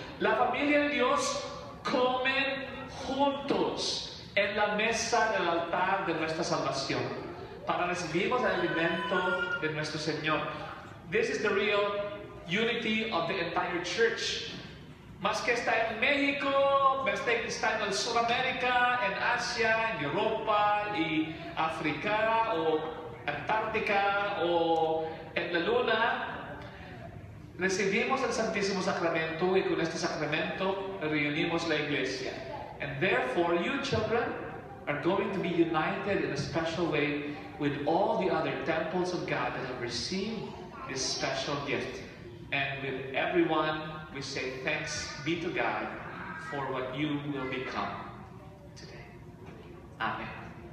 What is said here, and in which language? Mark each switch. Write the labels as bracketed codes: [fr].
[es] La familia de Dios comen juntos en la mesa del altar de nuestra salvación para recibirmos el alimento de nuestro Señor. [en] This is the real unity of the entire church. [es] Más que está en México, más que está en Sudamérica, en Asia, en Europa y África o Antártica o en la Luna, recibimos el Santísimo Sacramento y con este sacramento reunimos la iglesia. [en] And therefore, you children are going to be united in a special way with all the other temples of God that have received this special gift. And with everyone, we say thanks be to God for what you will become today. Amen.